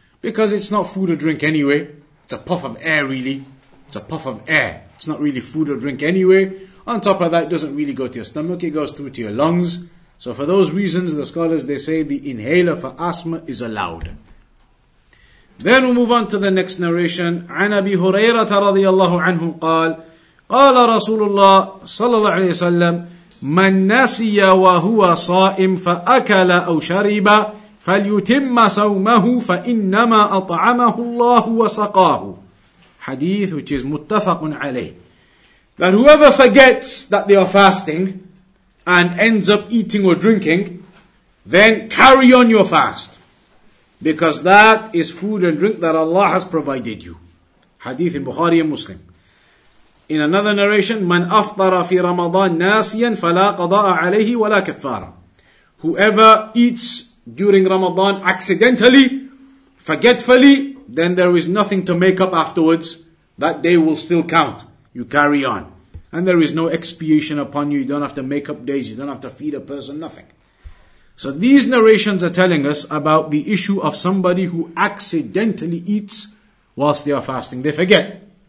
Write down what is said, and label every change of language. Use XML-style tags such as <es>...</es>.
<en>Because it's not food or drink anyway. It's a puff of air, really. It's not really food or drink anyway. On top of that, it doesn't really go to your stomach, it goes through to your lungs. So for those reasons, the scholars, they say the inhaler for asthma is allowed. Then we move on to the next narration.</en> <ar>عن أبي هريرة رضي الله عنه قال قال رسول الله صلى الله عليه وسلم من نسي وهو صائم فأكل أو شرب فليتم صومه فإنما أطعمه الله وسقاه.</ar> <en>Hadith which is</en> <ar>متفق عليه.</ar> <en>That whoever forgets that they are fasting and ends up eating or drinking, then carry on your fast. Because that is food and drink that Allah has provided you. Hadith in Bukhari and Muslim. In another narration,</en> <ar>من أفطر في رمضان ناسيا فلا قضاء عليه ولا كفارة.</ar> <en>Whoever eats during Ramadan accidentally, forgetfully, then there is nothing to make up afterwards. That day will still count. You carry on. And there is no expiation upon you. You don't have to make up days. You don't have to feed a person, nothing. So these narrations are telling us about the issue of somebody who accidentally eats whilst they are fasting. They forget.</en>